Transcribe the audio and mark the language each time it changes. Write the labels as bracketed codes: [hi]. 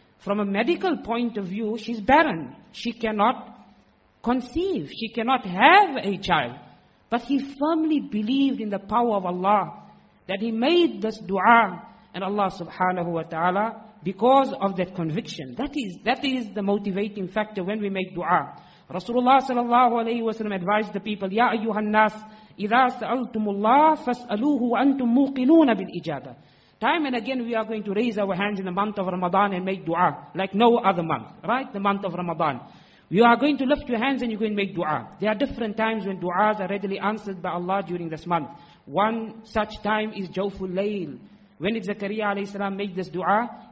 [en] From a medical point of view, she's barren. She cannot conceive. She cannot have a child. But he firmly believed in the power of Allah, that he made this dua, and Allah subhanahu wa ta'ala, because of that conviction. That is the motivating factor when we make dua. Rasulullah sallallahu alayhi wa sallam advised the people, [ar] يَا أَيُّهَا النَّاسِ إِذَا سَأَلْتُمُ اللَّهِ فَاسْأَلُوهُ وَأَنْتُمْ مُوقِنُونَ بِالْإِجَابَةِ. [en] Time and again we are going to raise our hands in the month of Ramadan and make dua, like no other month, right? The month of Ramadan. You are going to lift your hands and you're going to make dua. There are different times when duas are readily answered by Allah during this month. One such time is Jawful Layl. When did Zakariya alayhi salam make this dua?